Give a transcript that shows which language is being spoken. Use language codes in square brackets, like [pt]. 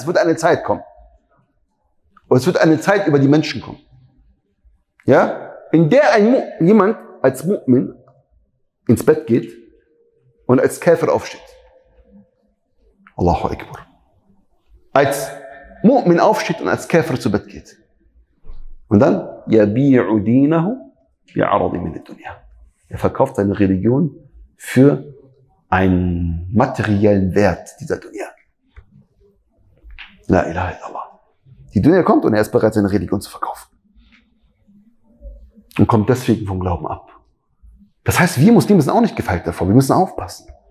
[de] Es wird eine Zeit kommen. Und es wird eine Zeit über die Menschen kommen. Ja? In der jemand als Mu'min ins Bett geht und als Käfer aufsteht. Allahu Akbar. Als Mu'min aufsteht und als Käfer zu Bett geht. Und dann, [ar] يَبِيعُ دِينَهُ بِعَرَضِ مِنِ الدُّنْيَا. [de] Er verkauft seine Religion für einen materiellen Wert dieser Dunya. La ilaha illallah. Die Dunya kommt und er ist bereit, seine Religion zu verkaufen. Und kommt deswegen vom Glauben ab. Das heißt, wir Muslime sind auch nicht gefeit davor. Wir müssen aufpassen.